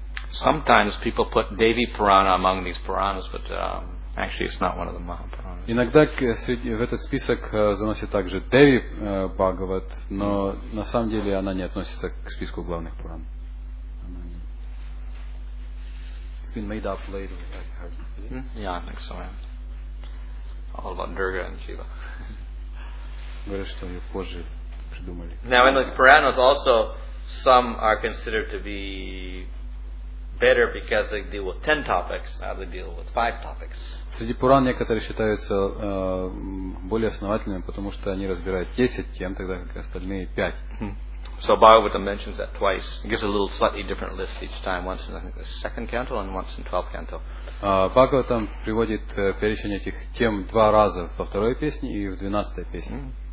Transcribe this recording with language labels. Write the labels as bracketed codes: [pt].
[en] Sometimes people put Devi Purana among these Puranas, but actually it's not one of the Mahapuranas. [ru] Иногда в этот список заносят также Devi Bhagavat, но на самом деле она не относится к списку главных Пуран. [en] It's been made up later, I heard. Yeah, I think so, yeah. All about Durga and Shiva. [ru] Говорят, что ее позже... [en] Now in the Puranas also some are considered to be better because they deal with 10 topics, now they deal with 5 topics. [ru] Среди Пуран некоторые считаются более основательными, потому что они разбирают 10 тем, тогда как остальные 5. [en] So Bhagavata mentions that twice. It gives a little slightly different list each time, once in I think the second canto and once in 12th canto. [ru] Бхагаватам приводит перечень этих тем два раза во второй песне и в 12-й песне.